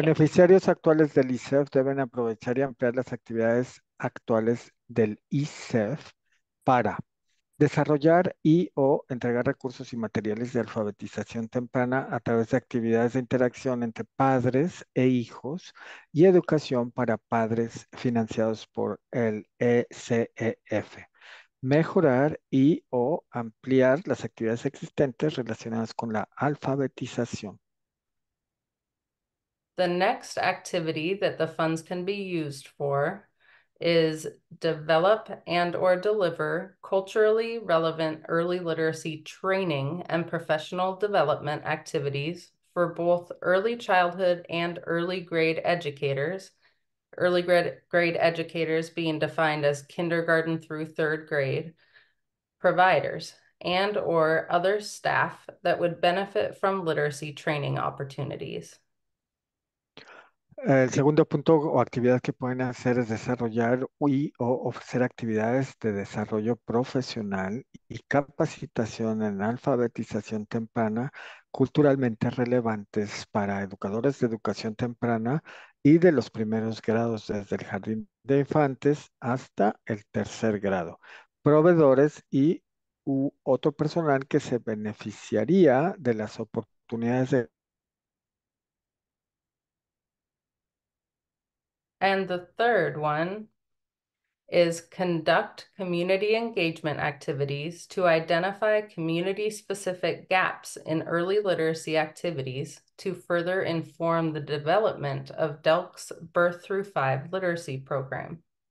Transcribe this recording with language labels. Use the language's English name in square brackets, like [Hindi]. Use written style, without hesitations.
[Spanish] beneficiarios actuales del ISEF deben aprovechar y ampliar las actividades actuales del ISEF para desarrollar y/o entregar recursos y materiales de alfabetización temprana a través de actividades de interacción entre padres e hijos y educación para padres financiados por el ECEF. Mejorar y/o ampliar las actividades existentes relacionadas con la alfabetización. [English] The next activity that the funds can be used for is develop and or deliver culturally relevant early literacy training and professional development activities for both early childhood and early grade educators, early grade educators being defined as kindergarten through third grade providers and or other staff that would benefit from literacy training opportunities. [Spanish] El segundo punto o actividad que pueden hacer es desarrollar y/o ofrecer actividades de desarrollo profesional y capacitación en alfabetización temprana culturalmente relevantes para educadores de educación temprana y de los primeros grados desde el jardín de infantes hasta el tercer grado, proveedores y/u otro personal que se beneficiaría de las oportunidades de. [English] And the third one is conduct community engagement activities to identify community-specific gaps in early literacy activities to further inform the development of Delk's birth through five literacy program.